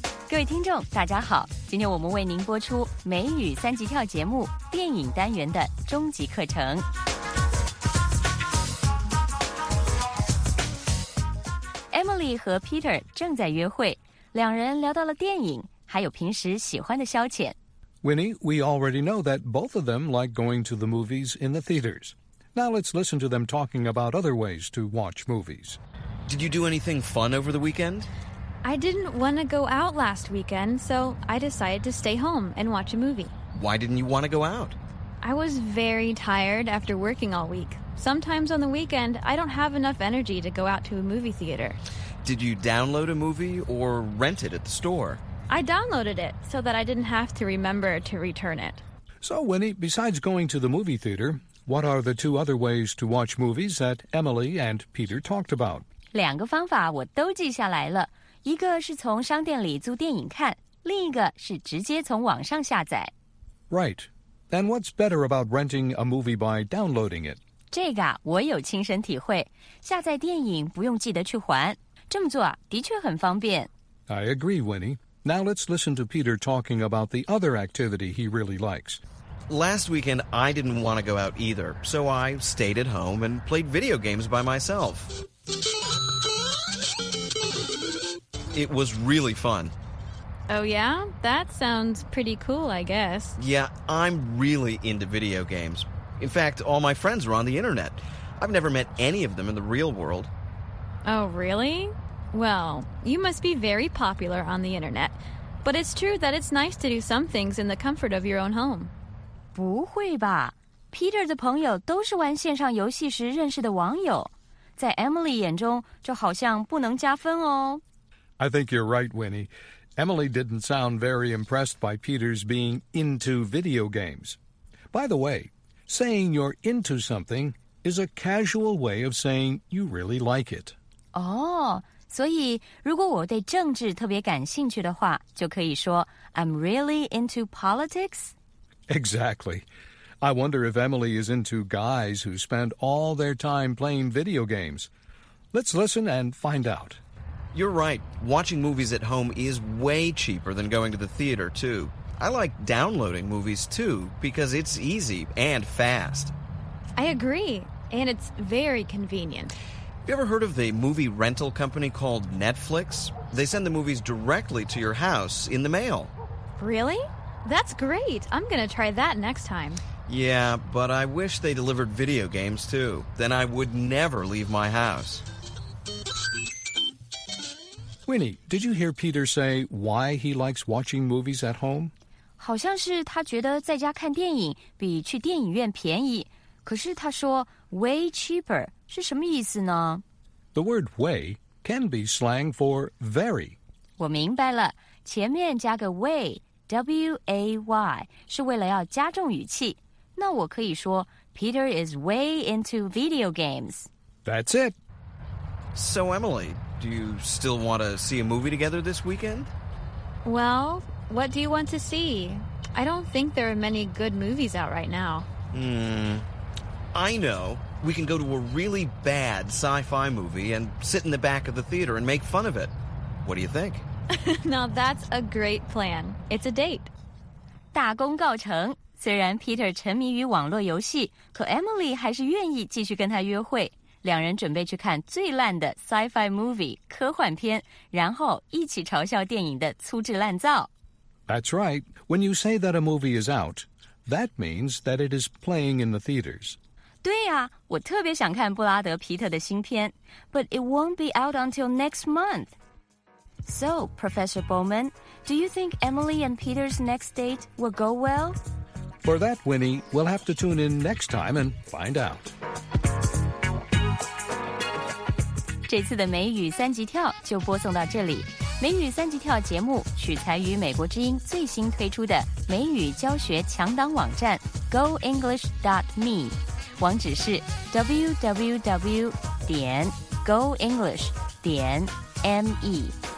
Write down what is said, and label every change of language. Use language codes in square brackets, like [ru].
[zh] 各位听众大家好，今天我们为您播出美语三级跳节目电影单元的终极课程。 Emily 和 Peter 正在约会，两人聊到了电影，还有平时喜欢的消遣。 [en] Winnie, we already know that both of them like going to the movies in the theaters. Now let's listen to them talking about other ways to watch movies. Did you do anything fun over the weekend? I didn't want to go out last weekend, so I decided to stay home and watch a movie. Why didn't you want to go out? I was very tired after working all week. Sometimes on the weekend, I don't have enough energy to go out to a movie theater. Did you download a movie or rent it at the store? I downloaded it so that I didn't have to remember to return it. So, Winnie, besides going to the movie theater, what are the two other ways to watch movies that Emily and Peter talked about? [zh] 两个方法我都记下来了。一个是从商店里租电影看，另一个是直接从网上下载。 [en] Right. And what's better about renting a movie by downloading it? [zh] 这个我有亲身体会。下载电影不用记得去还。这么做的确很方便。 [en] I agree, Winnie. Now let's listen to Peter talking about the other activity he really likes. Last weekend, I didn't want to go out either, so I stayed at home and played video games by myself. It was really fun. Oh yeah? That sounds pretty cool, I guess. Yeah, I'm really into video games. In fact, all my friends are on the internet. I've never met any of them in the real world. Oh, really? Well, you must be very popular on the internet. But it's true that it's nice to do some things in the comfort of your own home. [zh] 不会吧。 Peter 的朋友都是玩线上游戏时认识的网友。在 Emily 眼中就好像不能加分哦。 [en] I think you're right, Winnie. Emily didn't sound very impressed by Peter's being into video games. By the way, saying you're into something is a casual way of saying you really like it. [zh] Oh,所以如果我对政治特别感兴趣的话，就可以说 [en] I'm really into politics? Exactly. I wonder if Emily is into guys who spend all their time playing video games. Let's listen and find out. You're right. Watching movies at home is way cheaper than going to the theater, too. I like downloading movies, too, because it's easy and fast. I agree. And it's very convenient. Have you ever heard of the movie rental company called Netflix? They send the movies directly to your house in the mail. Really? That's great. I'm going to try that next time. Yeah, but I wish they delivered video games too. Then I would never leave my house. Winnie, did you hear Peter say why he likes watching movies at home? [zh] 好像是他觉得在家看电影比去电影院便宜。可是他说 way cheaper. 是什么意思呢? [en] The word way can be slang for very. [zh] 我明白了,前面加个 way, W-A-Y, 是为了要加重语气。那我可以说, [en] Peter is way into video games. That's it. So Emily, do you still want to see a movie together this weekend? Well, what do you want to see? I don't think there are many good movies out right now. I know. We can go to a really bad sci-fi movie and sit in the back of the theater and make fun of it. What do you think? Now that's a great plan. It's a date. [zh] 大功告成。虽然 Peter 沉迷于网络游戏，可 Emily 还是愿意继续跟他约会。两人准备去看最烂的 sci-fi movie 科幻片，然后一起嘲笑电影的粗制滥造。 [en] That's right. When you say that a movie is out, that means that it is playing in the theaters. [zh] 对呀、啊，我特别想看布拉德·皮特的新片 ， [en] But it won't be out until next month. So, Professor Bowman, do you think Emily and Peter's next date will go well? For that, Winnie, we'll have to tune in next time and find out. [zh] 这次的美语三级跳就播送到这里。美语三级跳节目取材于美国之音最新推出的美语教学强档网站 GoEnglish.me。网址是 www.goenglish.me。